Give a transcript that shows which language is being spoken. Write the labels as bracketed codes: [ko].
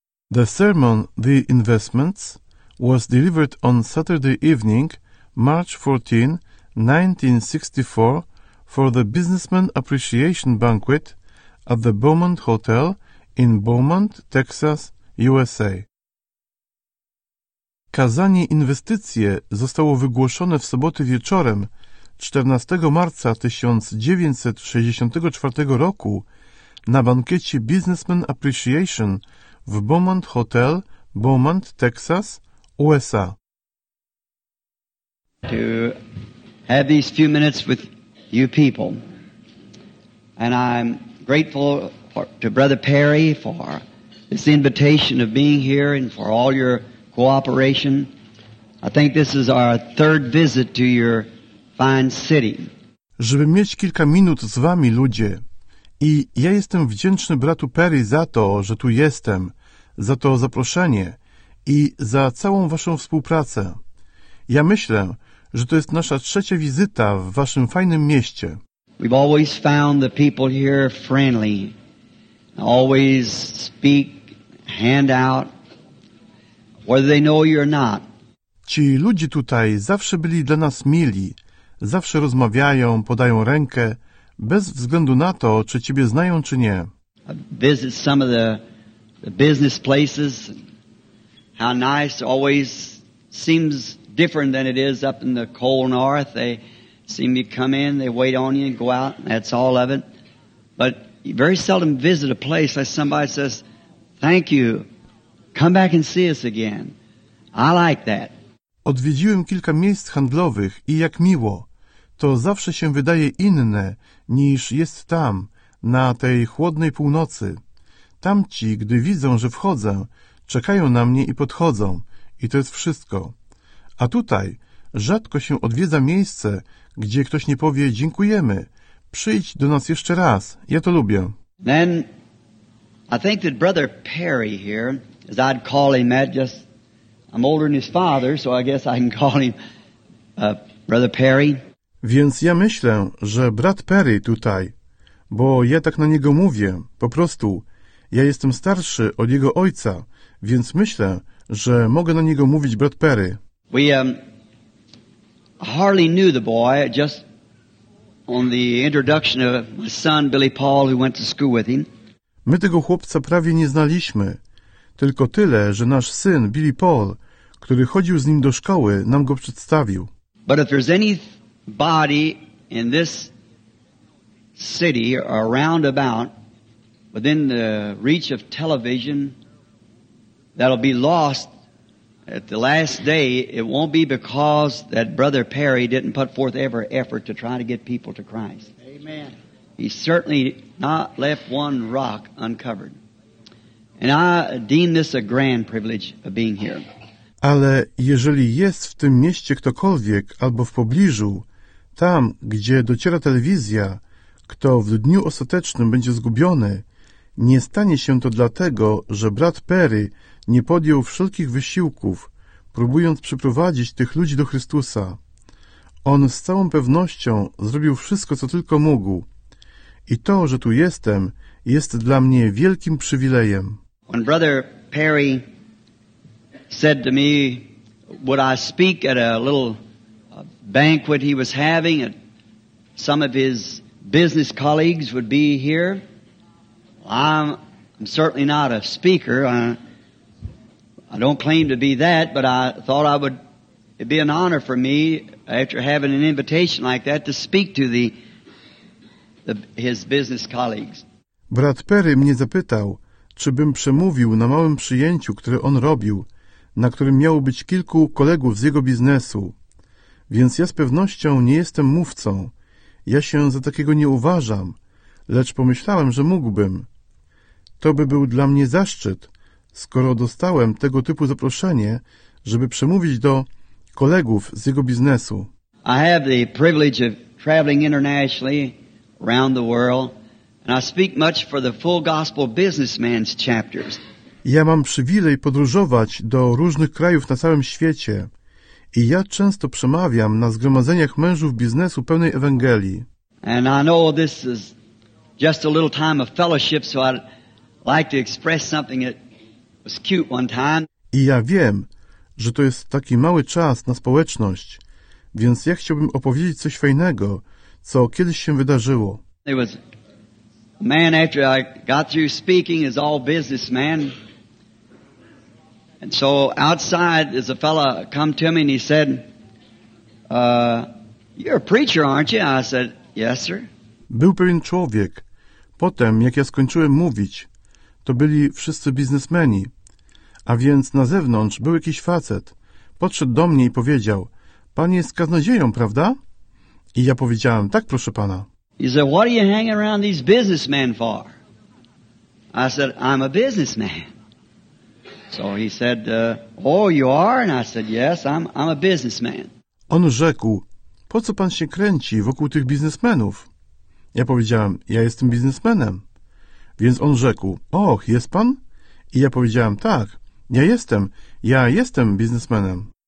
[en] The sermon, The Investments, was delivered on Saturday evening, March 14, 1964, for the Businessman Appreciation Banquet at the Beaumont Hotel in Beaumont, Texas, USA. [pl] Kazanie Inwestycje zostało wygłoszone w sobotę wieczorem 14 marca 1964 roku na bankiecie Businessman Appreciation w Beaumont Hotel, Beaumont, Texas, USA. [en] To have these few minutes with you people. And I'm grateful to Brother Perry for this invitation of being here and for all your cooperation. I think this is our third visit to your fine city. [pl] Żeby mieć kilka minut z wami, ludzie. I ja jestem wdzięczny bratu Perry za to, że tu jestem, za to zaproszenie i za całą waszą współpracę. Ja myślę, że to jest nasza trzecia wizyta w waszym fajnym mieście. [en] We've always found the people here friendly. Always speak, hand out, whether they know you or not. [pl] Ci ludzie tutaj zawsze byli dla nas mili, zawsze rozmawiają, podają rękę, bez względu na to, czy ciebie znają, czy nie. [en] Visit some of the business places. How nice, always seems different than it is up in the cold north. They seem to come in, they wait on you and go out, and that's all of it. But you very seldom visit a place like somebody says, thank you, come back and see us again. I like that. [pl] Odwiedziłem kilka miejsc handlowych i jak miło. To zawsze się wydaje inne niż jest tam, na tej chłodnej północy. Tamci, gdy widzą, że wchodzę, czekają na mnie i podchodzą. I to jest wszystko. A tutaj rzadko się odwiedza miejsce, gdzie ktoś nie powie, dziękujemy, przyjdź do nas jeszcze raz, ja to lubię. [en] Then, I think that Brother Perry here, as I'd call him, just, I'm older than his father, so I guess I can call him Brother Perry. [pl] Więc ja myślę, że brat Perry tutaj, bo ja tak na niego mówię, po prostu, ja jestem starszy od jego ojca, więc myślę, że mogę na niego mówić brat Perry. [en] Hardly knew the boy, just on the introduction of my son Billy Paul, who went to school with him. [pl] My tego chłopca prawie nie znaliśmy, tylko tyle, że nasz syn Billy Paul, który chodził z nim do szkoły, nam go przedstawił. [en] But if there's any body in this city or around about within the reach of television that'll be lost at the last day, it won't be because that Brother Perry didn't put forth ever effort to try to get people to Christ. Amen. He certainly not left one rock uncovered. And I deem this a grand privilege of being here. [pl] Ale jeżeli jest w tym mieście ktokolwiek albo w pobliżu, tam, gdzie dociera telewizja, kto w dniu ostatecznym będzie zgubiony, nie stanie się to dlatego, że brat Perry nie podjął wszelkich wysiłków, próbując przyprowadzić tych ludzi do Chrystusa. On z całą pewnością zrobił wszystko, co tylko mógł. I to, że tu jestem, jest dla mnie wielkim przywilejem. [en] When Brother Perry said to me, would I speak at a little banquet he was having, and some of his business colleagues would be here. I'm certainly not a speaker. I don't claim to be that, but I thought I would. It'd be an honor for me, after having an invitation like that, to speak to his business colleagues. [pl] Brat Perry mnie zapytał, czy bym przemówił na małym przyjęciu, które on robił, na którym miało być kilku kolegów z jego biznesu. Więc ja z pewnością nie jestem mówcą. Ja się za takiego nie uważam, lecz pomyślałem, że mógłbym. To by był dla mnie zaszczyt, skoro dostałem tego typu zaproszenie, żeby przemówić do kolegów z jego biznesu. [en] I have the privilege of traveling internationally around the world, and I speak much for the Full Gospel Businessman's chapters. [pl] Ja mam przywilej podróżować do różnych krajów na całym świecie. I ja często przemawiam na zgromadzeniach mężów biznesu pełnej Ewangelii. [en] And I know this is just a little time of fellowship, so I'd like to express something that was cute one time. [pl] I ja wiem, że to jest taki mały czas na społeczność, więc ja chciałbym opowiedzieć coś fajnego, co kiedyś się wydarzyło. [en] There was a man after I got through speaking, is all businessman. And so outside is a fella come to me and he said, you're a preacher, aren't you? I said, yes, sir. [pl] Był pewien człowiek. Potem, jak ja skończyłem mówić, to byli wszyscy biznesmeni. A więc na zewnątrz był jakiś facet. Podszedł do mnie i powiedział, pan jest kaznodzieją, prawda? I ja powiedziałem, tak, proszę pana. [en] He said, what are you hanging around these businessmen for? I said, I'm a businessman. So he said, oh, you are? And I said, yes, I'm a businessman. [pl] On rzekł, po co pan się kręci wokół tych biznesmenów? Ja powiedziałem, ja jestem biznesmenem. Więc on rzekł, och, jest pan? I ja powiedziałem, tak, ja jestem biznesmenem.